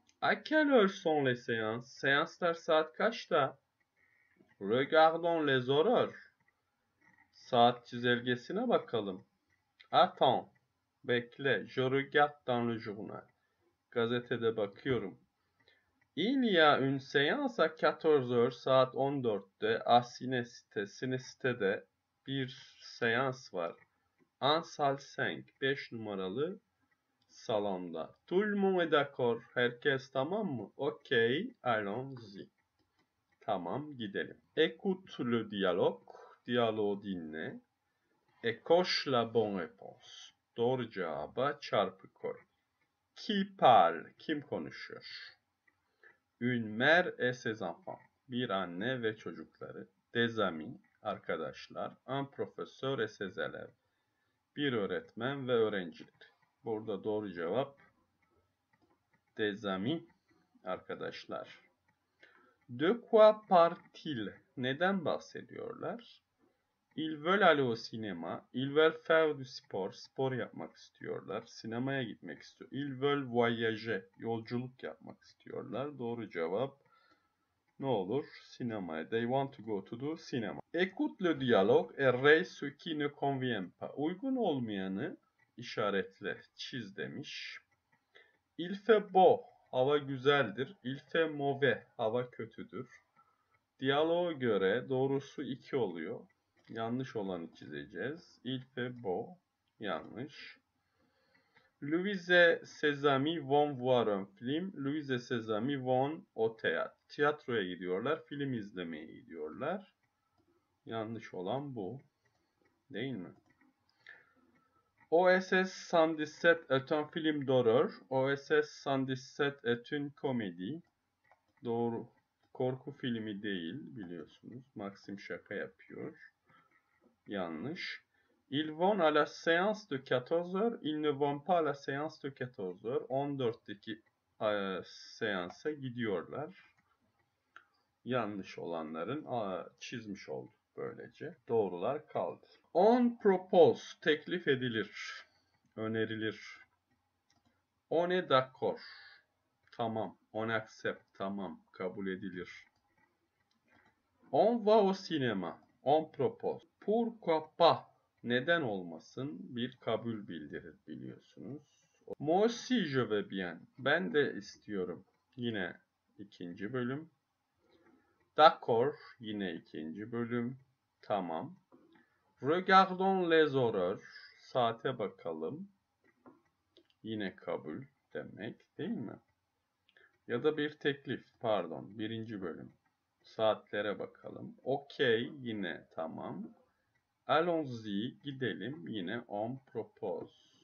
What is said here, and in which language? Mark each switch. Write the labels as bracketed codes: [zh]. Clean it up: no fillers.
[fr] À quelle heure sont les séances? [tr] Séanslar saat kaçta? [fr] Regardons les horaires. [tr] Saat çizelgesine bakalım. [fr] Attends. [tr] Bekle. [fr] Je regarde dans le journal. [tr] Gazetede bakıyorum. [fr] Il y a une séance à 14h [tr] saat 14'te. [fr] À Cinécité. [tr] Cinécité'de bir seans var. [fr] En salle 5, [tr] 5 numaralı salonda. [fr] Tout le monde est d'accord. [tr] Herkes tamam mı? [fr] Ok, allons-y. [tr] Tamam, gidelim. [fr] Écoute le dialogue. Dialogue [tr] dinle. [fr] Et coche la bonne réponse. [tr] Doğru cevaba çarpı koy. [fr] Qui parle? [tr] Kim konuşuyor? [fr] Une mère et ses enfants. [tr] Bir anne ve çocukları. [fr] Des amis, [tr] arkadaşlar. [fr] Un professeur et ses élèves. [tr] Bir öğretmen ve öğrenciler. Burada doğru cevap. [fr] Des amis. [tr] Arkadaşlar. [fr] De quoi parle-t-il? [tr] Neden bahsediyorlar? [fr] Ils veulent aller au cinéma. Ils veulent faire du sport. [tr] Spor yapmak istiyorlar. Sinemaya gitmek istiyor. [fr] Ils veulent voyager. [tr] Yolculuk yapmak istiyorlar. Doğru cevap ne olur? Sinemaya. [en] They want to go to the cinema. [fr] Écoute le dialogue et raise ce qui ne convient pas. [tr] Uygun olmayanı işaretle, çiz demiş. [fr] Il fait beau. [tr] Hava güzeldir. [fr] Il fait mauvais. [tr] Hava kötüdür. Diyaloğa göre doğrusu 2 oluyor. Yanlış olanı çizeceğiz. [fr] Il fait beau. [tr] Yanlış. [fr] Louise ses amis vont voir un film. Louise ses amis vont au théâtre. [tr] Tiyatroya gidiyorlar. Film izlemeye gidiyorlar. Yanlış olan bu. Değil mi? [fr] OSS 117 est un film d'horreur. OSS 117 est une comédie. [tr] Doğru. Korku filmi değil biliyorsunuz. Maxim şaka yapıyor. Yanlış. [fr] Ils vont à la séance de 14h. Ils ne vont pas à la séance de 14h. [tr] 14'teki seansa gidiyorlar. Yanlış olanların çizmiş olduk böylece. Doğrular kaldı. [fr] On propose, [tr] teklif edilir, önerilir. [fr] On est d'accord, tamam. On accept, tamam, [tr] kabul edilir. [fr] On va au cinéma, on propose. Pourquoi pas, [tr] neden olmasın, bir kabul bildirir biliyorsunuz. [fr] Moi aussi je veux bien, [tr] ben de istiyorum. Yine ikinci bölüm. [fr] D'accord, [tr] yine ikinci bölüm. Tamam. [fr] Regardons les horaires. [tr] Saate bakalım. Yine kabul demek değil mi? Ya da bir teklif. Pardon. Birinci bölüm. Saatlere bakalım. Okay. Yine tamam. [fr] Allons-y. [tr] Gidelim. Yine [fr] on propose.